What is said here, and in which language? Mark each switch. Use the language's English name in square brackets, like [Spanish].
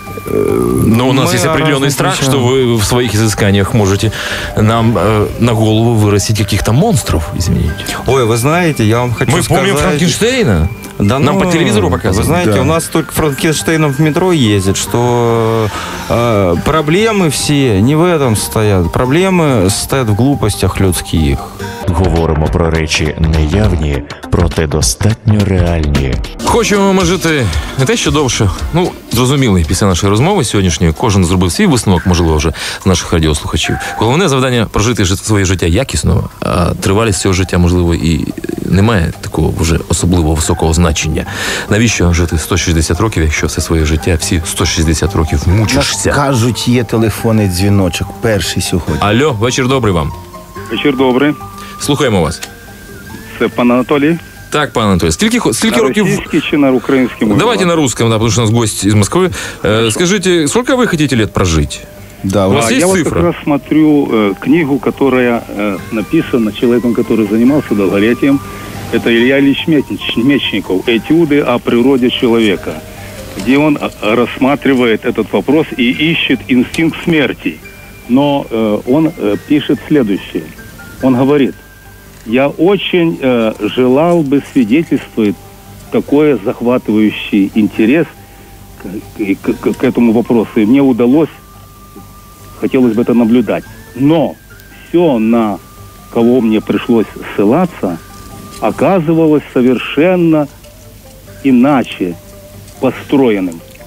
[Russian] Но у нас есть определенный страх, что вы в своих изысканиях можете нам на голову вырастить каких-то монстров, извините. Ой, вы знаете, я вам хочу сказать... Мы помним Франкенштейна? Да, нам по телевизору показывают. Вы знаете, да. У нас только Франкенштейном в метро ездит, что проблемы все не в этом стоят. Проблемы стоят в глупостях людских. [Ukrainian] Говоримо про речі неявні, проте достатньо реальні. Хочемо ми жити не те, що довше. Ну, зрозуміло, після нашої розмови сьогоднішньої, кожен зробив свій висновок, можливо, вже з наших радіослухачів. Головне завдання – прожити своє життя якісно, а тривалість цього життя, можливо, і немає такого вже особливо високого значення. Навіщо жити 160 років, якщо все своє життя, всі 160 років мучишся? Як кажуть, є телефонний дзвіночок, перший сьогодні. Алло, вечір добрий вам. Вечір добрий. Слухаємо вас. Це пан Анатолій. Так, пан Анатолій. Скільки на років... На російській чи на українській мові? Давайте на російському, да, тому що у нас гость із Москви. Скажіть, скільки ви хочете років прожити? Да, у вас є цифра? Я якраз смотрю книгу, яка написана чоловіком, який займався довголетием. Це Ілля Ілліч Мечніков. «Етюди о природі чоловіка», де він розглядає цей вопрос і іще інстинкт смерті. [Russian] Но он пишет следующее. Он говорит, я очень желал бы свидетельствовать такой захватывающий интерес к этому вопросу. И мне удалось, хотелось бы это наблюдать. Но все, на кого мне пришлось ссылаться, оказывалось совершенно иначе построенным.